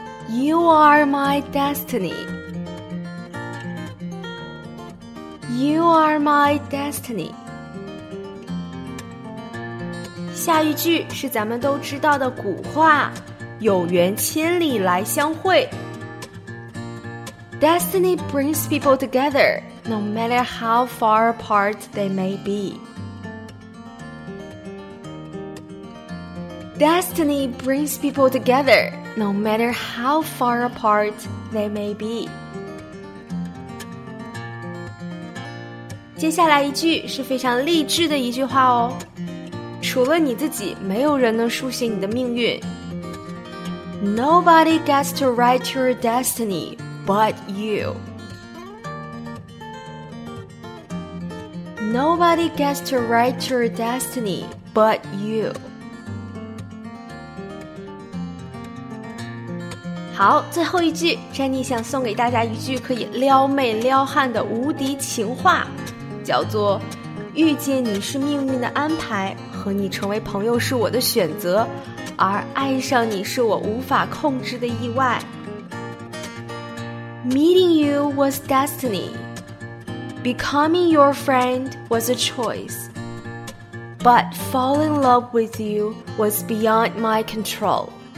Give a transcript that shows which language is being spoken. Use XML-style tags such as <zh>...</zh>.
<en>You are my destiny. You are my destiny.</en> <zh>下一句是咱们都知道的古话，有缘千里来相会。</zh> <en>Destiny brings people together, no matter how far apart they may be. Destiny brings people together, no matter how far apart they may be.</en> <zh>接下来一句是非常励志的一句话哦。除了你自己，没有人能书写你的命运。</zh> <en>Nobody gets to write your destiny. But you. Nobody gets to write your destiny but you.</en> <zh>好，最后一句 Jenny 想送给大家一句可以撩妹撩汉的无敌情话，叫做遇见你是命运的安排，和你成为朋友是我的选择，而爱上你是我无法控制的意外。</zh> <en>Meeting you was destiny. Becoming your friend was a choice. But falling in love with you was beyond my control.</en>